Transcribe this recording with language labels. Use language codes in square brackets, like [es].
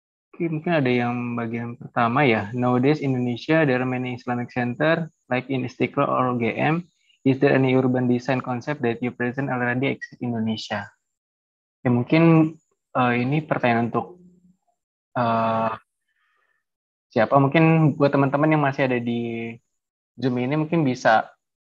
[id] Oke, mungkin ada yang bagian pertama ya. [en] Nowadays Indonesia, there are many Islamic center, like in Istiqlal or GM. Is there any urban design concept that you present already exist in Indonesia? [id] Ya, mungkin ini pertanyaan untuk siapa? Mungkin buat teman-teman yang masih ada di Zoom ini, mungkin bisa.